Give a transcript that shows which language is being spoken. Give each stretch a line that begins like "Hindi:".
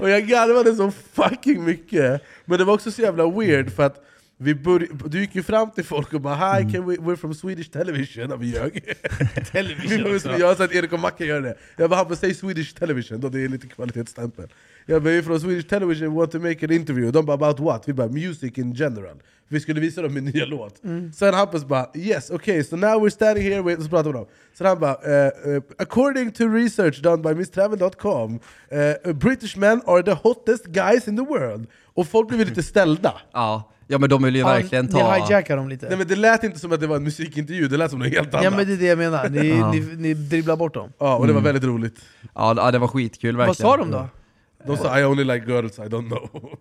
Swedish: Och jag garvade så fucking mycket. Men det var också så jävla weird för att vi du gick ju fram till folk och bara,
English: hi, can we're from Swedish television.
Swedish: Och vi ljög.
English: Television.
Swedish: Jag sa att Erik och Macke gör det. Jag bara, han bara,
English: say Swedish television.
Swedish: Då det är lite kvalitetsstämpel. Ja, vi är från
English: Swedish television, we want to make an interview.
Swedish: De bara,
English: about what?
Swedish: Vi bara,
English: music in general.
Swedish: Vi skulle visa dem min nya låt. Sen Hampus bara,
English: yes, okay, so now we're standing here.
Swedish: Så pratar vi om dem. Sen han bara,
English: according to research done by mistravel.com, British men are the hottest guys in the world.
Swedish: Och folk blev lite ställda. Ja, men de vill ju verkligen ta... Ni hijackar dem lite. Nej, men det lät inte som att det var en musikintervju. Det lät som något helt annat. Ja, men det är det jag menar. Ni dribblar bort dem. Ja, och det var väldigt roligt. Ja, det var skitkul verkligen. Vad sa de då? De sa,
English: I only like girls, I don't know.